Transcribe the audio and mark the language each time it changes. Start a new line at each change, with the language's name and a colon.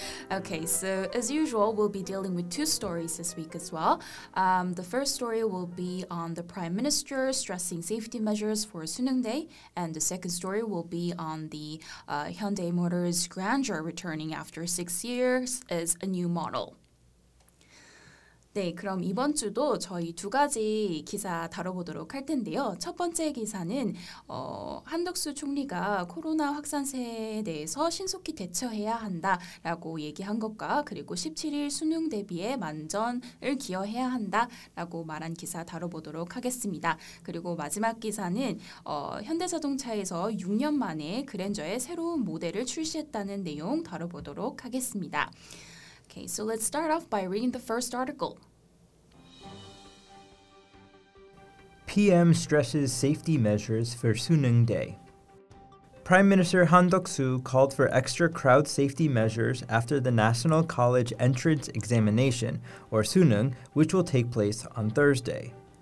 English: Okay, so as usual, we'll be dealing with two stories this week as well. The first story will be on the Prime Minister stressing safety measures for 수능대, and the second story will be on the Hyundai Motor's Grandeur returning after 6 years as a new model.
Korean: 네, 그럼 이번 주도 저희 두 가지 기사 다뤄보도록 할 텐데요. 첫 번째 기사는 한덕수 총리가 코로나 확산세에 대해서 신속히 대처해야 한다라고 얘기한 것과 그리고 17일 수능 대비에 만전을 기여해야 한다라고 말한 기사 다뤄보도록 하겠습니다. 그리고 마지막 기사는 현대자동차에서 6년 만에 그랜저의 새로운 모델을 출시했다는 내용 다뤄보도록 하겠습니다.
English: Okay, so let's start off by reading the first article. PM stresses safety measures for 수능대. Prime Minister Han Duck-soo called for extra crowd safety measures after the National College Entrance Examination, or 수능, which will take place on Thursday.